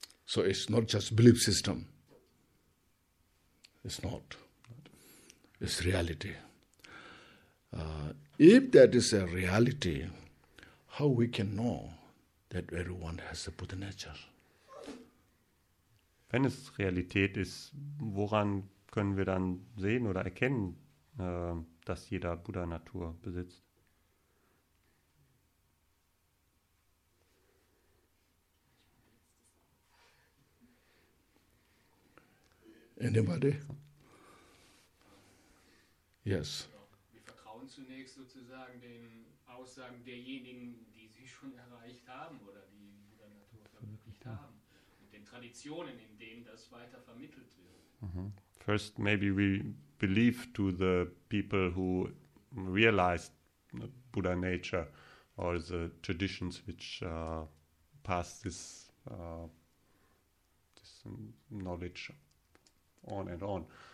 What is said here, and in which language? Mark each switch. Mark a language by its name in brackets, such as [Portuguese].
[English] So it's not just belief system. It's not. It's reality. If that is a reality, how we can know that everyone has a Buddha nature? [German] Wenn es Realität ist, woran können wir dann sehen oder erkennen, dass jeder Buddha-Natur besitzt? [English] Anybody? Yes. [German] Wir vertrauen zunächst sozusagen den Aussagen derjenigen, die sie schon erreicht haben oder die Buddha-Natur verwirklicht haben und den Traditionen, in denen das weiter vermittelt wird. [English] First, maybe we believe to the people who realized Buddha nature or the traditions which pass this this knowledge on and on.